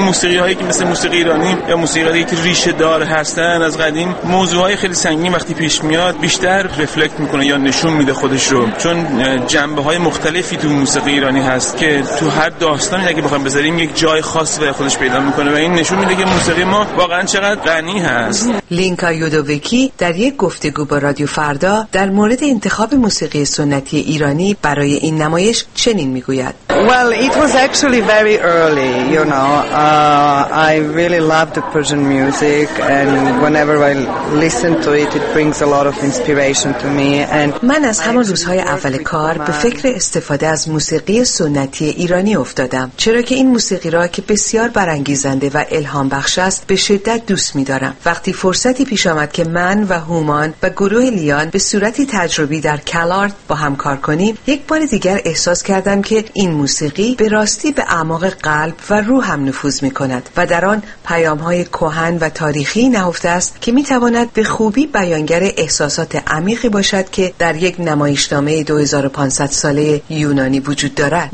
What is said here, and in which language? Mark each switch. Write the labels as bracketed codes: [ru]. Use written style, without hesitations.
[fa] موسیقی‌هایی که مثل موسیقی ایرانی یا موسیقی‌هایی که ریشه دار هستن از قدیم، موضوع‌های خیلی سنگین وقتی پیش میاد بیشتر رفلکت می‌کنه یا نشون میده خودش رو، چون جنبه‌های مختلفی تو موسیقی ایرانی هست که تو هر داستانی اگه بخوام بذاریم یک جای خاص برای خودش پیدا می‌کنه و این نشون میده که موسیقی ما واقعا چقدر غنی هست. لینکا یودوویکی در یک گفتگو با رادیو فردا در مورد انتخاب موسیقی سنتی ایرانی برای این نمایش چنین میگوید: [en] Well, it was actually very early, you know. I really loved the Persian music and whenever I listen to it, it brings a lot of inspiration to me. [fa] من از همان روزهای اول کار به فکر استفاده از موسیقی سنتی ایرانی افتادم، چرا که این موسیقی را که بسیار برانگیزنده و الهام بخش است به شدت دوست می‌دارم. وقتی فرصتی پیش آمد که من و هومان و گروه لیان به صورتی تجربی در کلارت با هم کار کنیم، یک بار دیگر احساس کردم که این موسیقی به راستی به اعماق قلب و روح هم نفوذ می‌کند و در آن پیام‌های کهن و تاریخی نهفته است که می‌تواند به خوبی بیانگر احساسات عمیقی باشد که در یک نمایشنامه 2500 ساله یونانی وجود دارد.